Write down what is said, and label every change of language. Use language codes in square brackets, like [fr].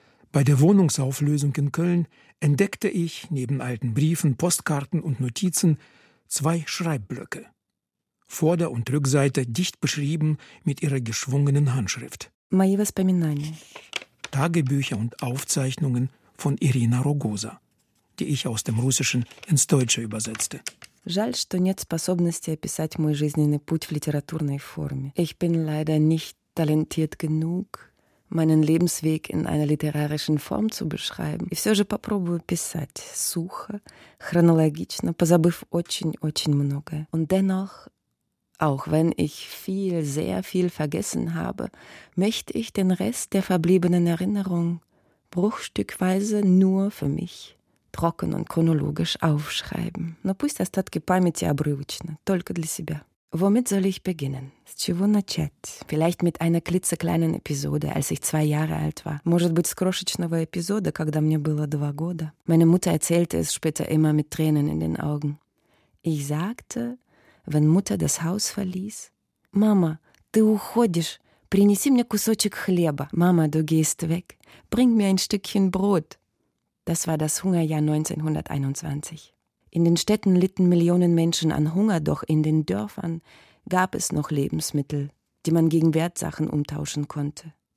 [de] Bei der Wohnungsauflösung in Köln entdeckte ich neben alten Briefen, Postkarten und Notizen 2 Schreibblöcke. Vorder- und Rückseite dicht beschrieben mit ihrer geschwungenen Handschrift. [ru] Мои воспоминания. [de] Tagebücher und Aufzeichnungen von Irina Rogoza, die ich aus dem Russischen ins Deutsche übersetzte. [ru] Жаль, что нет способности описать мой жизненный путь в литературной форме. [de] Ich bin leider nicht talentiert genug, meinen Lebensweg in einer literarischen Form zu beschreiben. Ich versuche, [ru] попробую писать, [de] suche, chronologisch, [ru] позабыв очень, очень многое. [de] Und dennoch, auch wenn ich viel, sehr viel vergessen habe, möchte ich den Rest der verbliebenen Erinnerung bruchstückweise nur für mich trocken und chronologisch aufschreiben. [ru] Но пусть остатки памяти обрывочно, только для себя. [de] Womit soll ich beginnen? [ru] С чего начать? [de] Vielleicht mit einer klitzekleinen Episode, als ich 2 Jahre alt war. [ru] Может быть, с крошечного эпизода, когда мне было 2 года. [de] Meine Mutter erzählte es später immer mit Tränen in den Augen. Ich sagte, wenn Mutter das Haus verließ, Mama, [ru] ты уходишь, принеси мне кусочек хлеба. [de] Mama, du gehst weg, bring mir ein Stückchen Brot. Das war das Hungerjahr 1921. In den Städten litten Millionen Menschen an Hunger, doch in den Dörfern gab es noch Lebensmittel, die man gegen Wertsachen umtauschen konnte.